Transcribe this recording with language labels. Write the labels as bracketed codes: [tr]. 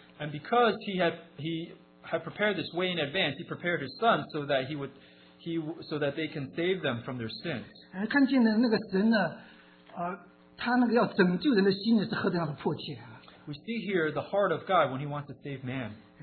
[en] And because he had prepared this way in advance, he prepared his son so that so that they can save them from their sins. [zh] 看见了那个神呢，他那个要拯救人的心是何等样的迫切啊！ [en] We see here the heart of God when He wants to save man.